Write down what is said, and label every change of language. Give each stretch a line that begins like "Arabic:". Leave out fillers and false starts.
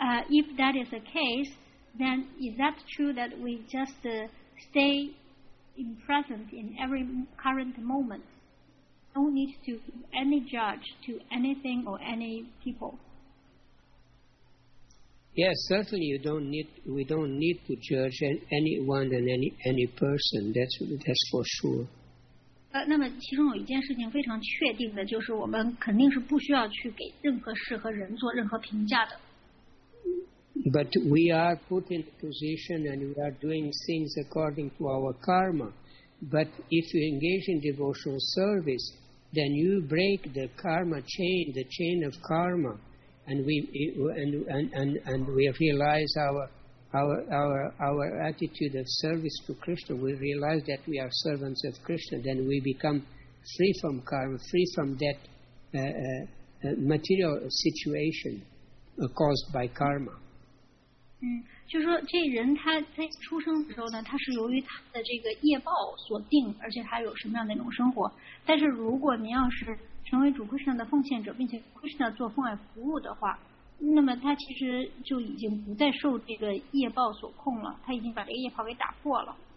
English: If that is the case,then is that true that we just stay in present in every current moment? No need to any judge to anything or any people? Yes, certainly we don't need to judge anyone and any person. That's for sure.
Chinese: 那么其中有一件事情非常确定的就是我们肯定是不需要去给任何事和人做任何评价的。
English: But we are put in a position and we are doing things according to our karma. But if you engage in devotional service, then you break the karma chain, the chain of karma, and we realize our attitude of service to Krishna. We realize that we are servants of Krishna. Then we become free from karma, free from that material situation caused by karma.
Chinese: 就是说这人他在出生的时候呢，他是由于他的这个业报所定，而且他有什么样的一种生活。但是如果您要是成为主 Krishna 的奉献者，并且 Krishna 做奉爱服务的话，那么他其实就已经不再受这个业报所控了，他已经把这个业报给打破了。